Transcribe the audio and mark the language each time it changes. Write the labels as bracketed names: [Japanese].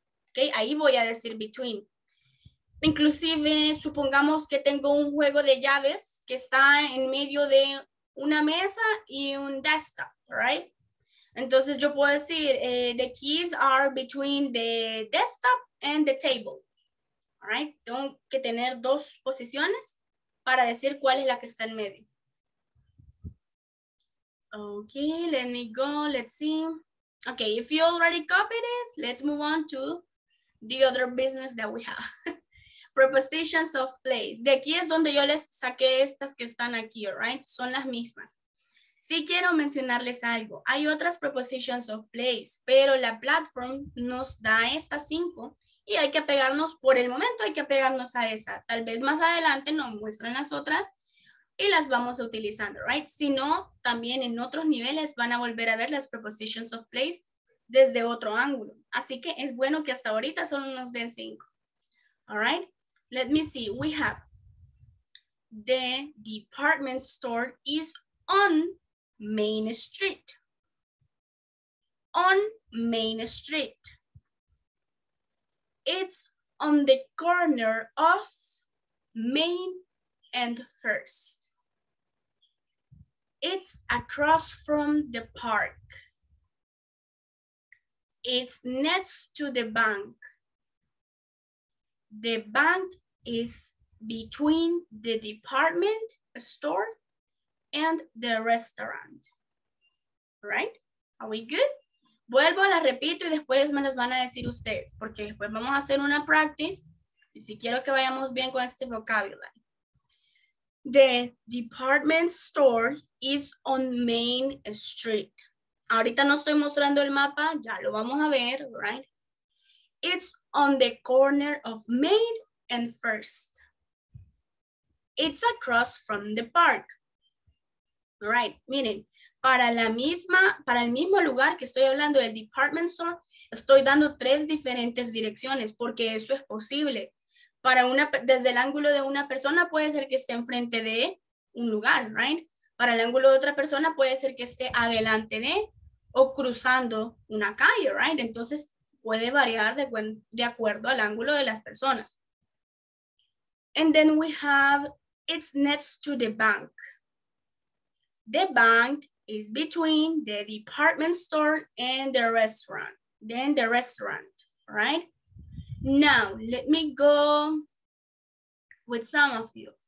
[Spanish] Okay, ahí voy a decir between. Inclusive, supongamos que tengo un juego de llaves que está en medio de una mesa y un desktop. Right. Entonces yo puedo decir, [English] the keys are between the desktop and the table. All right. [Spanish] Tengo que tener dos posiciones para decir cuál es la que está en medio. [English] Okay, let me go, let's see. Okay, if you already copied this, let's move on to the other business that we have. Prepositions of place. [Spanish] De aquí es donde yo les saqué estas que están aquí, all right? Son las mismas. Sí quiero mencionarles algo. Hay otras prepositions of place, pero la platform nos da estas cinco y hay que pegarnos, por el momento hay que pegarnos a esa. Tal vez más adelante nos muestran las otras y las vamos utilizando, right? Si no, también en otros niveles van a volver a ver las prepositions of place desde otro ángulo. Así que es bueno que hasta ahorita solo nos den cinco. [English] All right? Let me see. We have the department store is on Main Street. On Main Street. It's on the corner of Main and First. It's across from the park. It's next to the bank. The bank is between the department store and the restaurant. Right? Are we good? [Spanish] Vuelvo, la repito y después me las van a decir ustedes porque después vamos a hacer una practice y si quiero que vayamos bien con este vocabulary. [English] The department store is on Main Street. [Spanish] Ahorita no estoy mostrando el mapa, ya lo vamos a ver, right? [English] It's on the corner of Main and First. It's across from the park. [Spanish] Right, miren, para la misma, para el mismo lugar que estoy hablando del department store, estoy dando tres diferentes direcciones porque eso es posible. Para una, desde el ángulo de una persona puede ser que esté enfrente de un lugar, right? Para el ángulo de otra persona puede ser que esté adelante de o cruzando una calle, right? Entonces puede variar de acuerdo al ángulo de las personas. [English] And then we have, it's next to the bank. The bank is between the department store and the restaurant. Then the restaurant, right? Now, let me go with some of you.